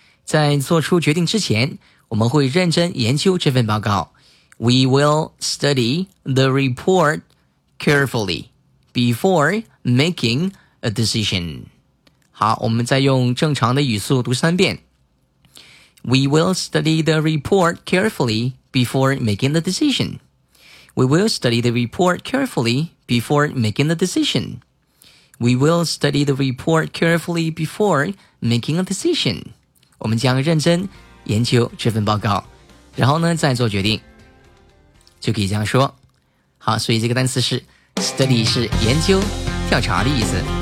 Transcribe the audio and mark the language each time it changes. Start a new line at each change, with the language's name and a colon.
Chinese: 在做出决定之前,我们会认真研究这份报告。
English: We will study the report carefully. Before making a decision.
Chinese: 好我们再用正常的语速读三遍。
English: We will study the report carefully before making the decision. We will study the report carefully before making the decision. We will study the report carefully before making a decision.
Chinese: 我们将认真研究这份报告然后呢再做决定。就可以这样说。好所以这个单词是Study 是研究、调查的意思。